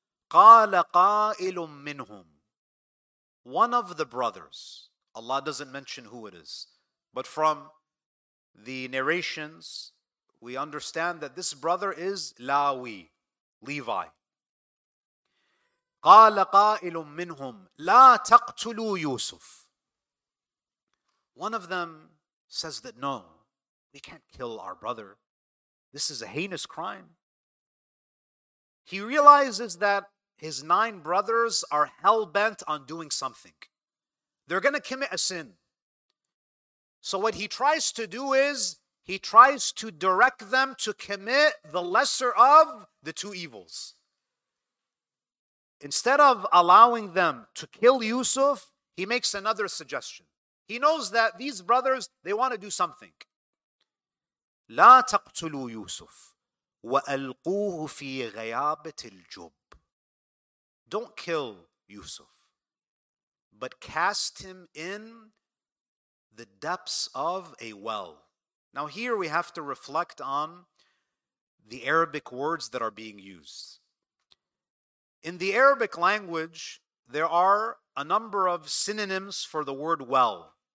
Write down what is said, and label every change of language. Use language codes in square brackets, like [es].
[ar] Qala qailum minhum. [en] One of the brothers, Allah doesn't mention who it is, but from the narrations, we understand that this brother is Lawi, Levi. [ar] قال قائل منهم لا تقتلوا يوسف. [en] One of them says that no, we can't kill our brother. This is a heinous crime. He realizes that his nine brothers are hell-bent on doing something. They're going to commit a sin. So what he tries to do is he tries to direct them to commit the lesser of the two evils. Instead of allowing them to kill Yusuf, he makes another suggestion. He knows that these brothers, they want to do something. [ar] لا تقتلوا يوسف وألقوه في غيابة الجب. [en] Don't kill Yusuf, but cast him in the depths of a well. Now here we have to reflect on the Arabic words that are being used. In the Arabic language, there are a number of synonyms for the word well.